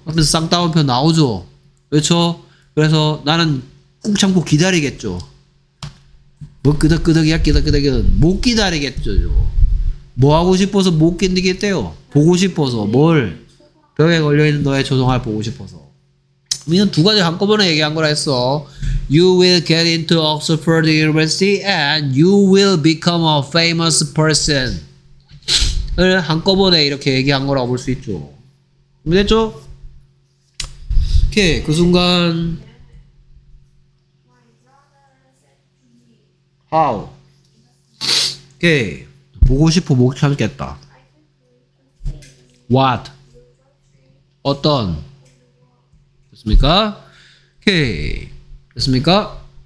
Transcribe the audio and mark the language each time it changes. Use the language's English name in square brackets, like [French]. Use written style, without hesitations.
[Korean] 그러면서 쌍따옴표 나오죠. 그렇죠? 그래서 나는 꾹 참고 기다리겠죠. 뭐 끄덕끄덕이야 끄덕끄덕이든 못 기다리겠죠. 뭐 하고 싶어서 못 견디겠대요. 보고 싶어서 뭘 벽에 걸려있는 너의 조동화 보고 싶어서. 우리는 두 가지 한꺼번에 얘기한 거라 했어. [English] You will get into Oxford University and you will become a famous person. [Korean] 한꺼번에 이렇게 얘기한 거라고 볼 수 있죠. 됐죠? 오케이. 그 순간 How? 오케이. 보고 싶어 못 참겠다. What? 어떤? 됐습니까? 오케이. 됐습니까?